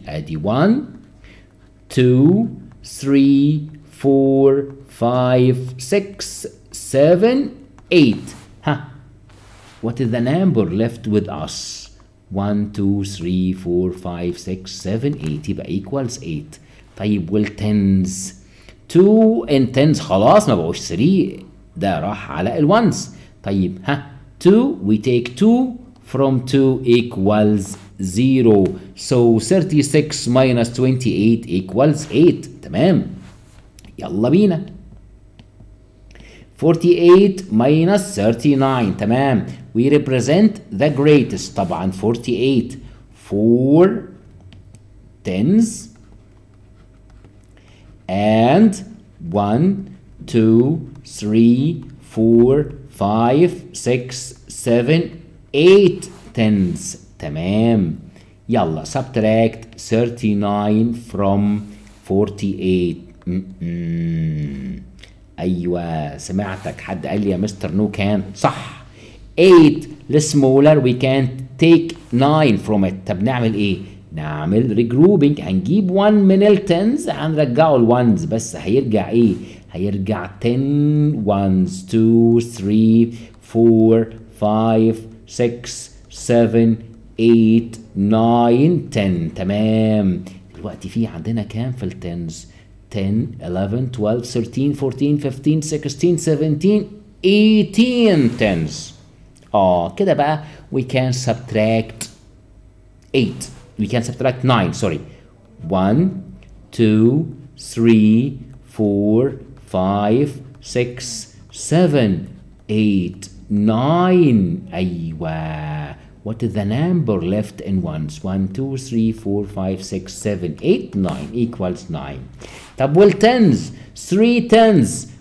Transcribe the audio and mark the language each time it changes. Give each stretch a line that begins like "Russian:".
Arabic: ادي 1, 2, 3, 4, 5, 6, 7, 8.
English: What is the number left with us? 1, 2, 3, 4, 5, 6, 7, 8. يبقى equals 8.
Arabic: طيب وال 10s 2 and 10s خلاص ما بقوش 3، ده راح على ال 1s.
English: طيب 2 we take 2 from 2 equals 0. So 36 minus 28 equals 8.
Arabic: تمام يلا بينا.
English: 48 minus 39 تمام we represent the greatest. طبعا 48 4 tens and 1 2 3 4 5 6 7 8 tens
Arabic: تمام يلا
English: subtract 39 from 48.
Arabic: ايوه سمعتك، حد قال لي يا مستر نو كان صح.
English: 8 للسمولر we can take 9 from it.
Arabic: طب نعمل ايه؟ نعمل ريجروبنج، هنجيب 1 من ال 10s هنرجعه ال 1s بس هيرجع ايه؟ هيرجع 10 1s 2 3 4 5 6 7 8 9 10 تمام. دلوقتي في عندنا كام في ال 10s؟ 10 11 12 13 14 15 16 17 18 tens.
English: كده بقى we can subtract 8 we can subtract 9 sorry 1 2 3 4 5 6 7 8
Arabic: 9. أيوة.
English: What is the number left in ones? 1, 2, 3, 4, 5, 6, 7, 8, 9 equals 9.
Arabic: طب والتنز؟ 3 tens.